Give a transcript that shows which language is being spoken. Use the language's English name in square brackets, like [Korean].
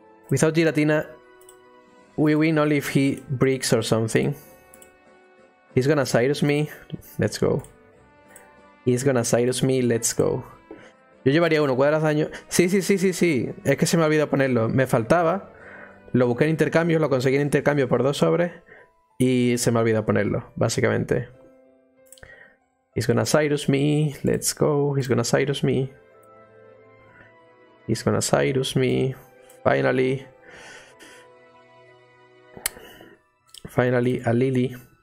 [English] Without Giratina, we win only if he breaks or something. He's gonna Cyrus me, let's go. He's gonna Cyrus me, let's go. [Spanish] Yo llevaría uno, cuadras daño. Sí. Es que se me olvidó ponerlo. Me faltaba. Lo busqué en intercambio, lo conseguí en intercambio por dos sobres. Y se me olvidó ponerlo, básicamente. [English] He's gonna Cyrus me, let's go. He's gonna Cyrus me. He's gonna Cyrus me. Finally, a Lily.